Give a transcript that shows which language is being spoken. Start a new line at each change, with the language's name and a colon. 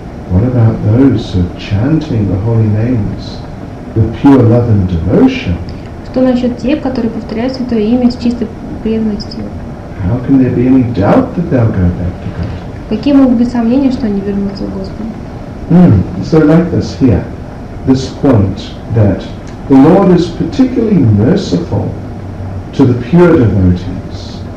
English: What about those who are chanting the holy names with pure love and devotion?
Russian: Что насчет тех, которые повторяют святое имя с чистой преданностью?
English: How can there be any doubt that they'll go back to God?
Russian: Какие могут быть сомнения, что они вернутся в Господа?
English: So like this here, this point that the Lord is particularly merciful to the pure devotees.